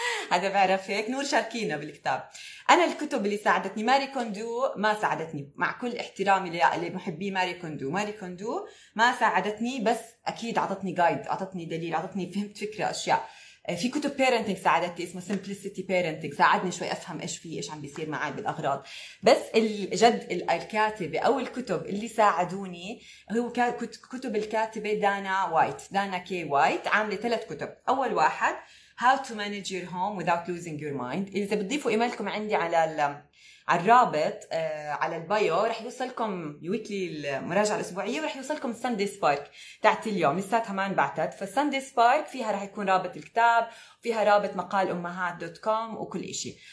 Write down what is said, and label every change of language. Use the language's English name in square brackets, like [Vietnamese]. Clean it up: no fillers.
[Arabic] هذا بعرف هيك نور شاركينا بالكتاب. انا الكتب اللي ساعدتني ماري كوندو ما ساعدتني، مع كل احترامي لمحبي ماري كوندو، ماري كوندو ما ساعدتني، بس اكيد اعطتني جايد، اعطتني دليل، اعطتني فهمت فكره اشياء. في كتب بيرنتينج ساعدتني اسمه سمبليسيتي بيرنتينج، ساعدني شوي افهم ايش فيه ايش عم بيصير معي بالاغراض. بس الجد الكاتبه او الكتب اللي ساعدوني هو كتب الكاتبه دانا وايت، دانا كي وايت، عامله 3 كتب. اول واحد [English] How to manage your home without losing your mind. [Arabic] إذا بتضيفوا إيميلكم عندي على الرابط على البايو رح يوصلكم يويكلي المراجعة الأسبوعية، ورح يوصلكم Sunday Spark تاعت اليوم، لساتها ما انبعتت. فSunday Spark فيها رح يكون رابط الكتاب، فيها رابط مقال أمهات.com وكل إشي.